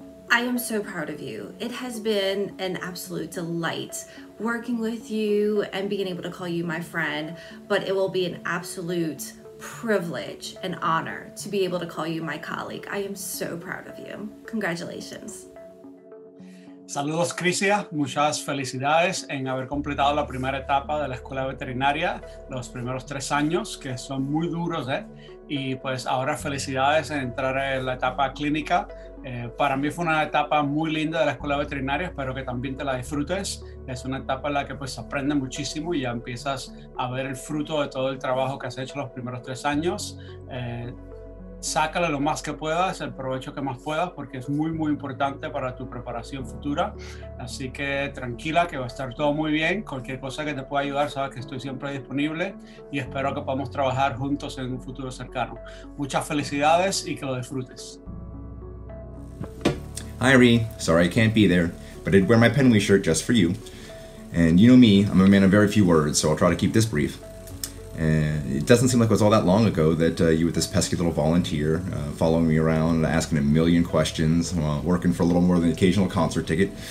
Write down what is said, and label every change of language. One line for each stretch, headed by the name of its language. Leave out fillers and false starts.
English: I am so proud of you. It has been an absolute delight working with you and being able to call you my friend, but it will be an absolute privilege and honor to be able to call you my colleague. I am so proud of you. Congratulations.
Spanish: Saludos, Crisia. Muchas felicidades en haber completado la primera etapa de la escuela veterinaria, los primeros 3 años, que son muy duros, ¿eh? Y pues ahora felicidades en entrar en la etapa clínica. Para mí fue una etapa muy linda de la escuela veterinaria, espero que también te la disfrutes. Es una etapa en la que pues aprendes muchísimo y ya empiezas a ver el fruto de todo el trabajo que has hecho los primeros 3 años. Sácale lo más que puedas, el provecho que más puedas, porque es muy, muy importante para tu preparación futura. Así que tranquila, que va a estar todo muy bien. Cualquier cosa que te pueda ayudar, sabes que estoy siempre disponible y espero que podamos trabajar juntos en un futuro cercano. Muchas felicidades y que lo disfrutes.
English: Hi, Ree. Sorry I can't be there, but I'd wear my Penwy shirt just for you. And you know me, I'm a man of very few words, so I'll try to keep this brief. It doesn't seem like it was all that long ago that you were this pesky little volunteer following me around, asking a million questions, working for a little more than an occasional concert ticket.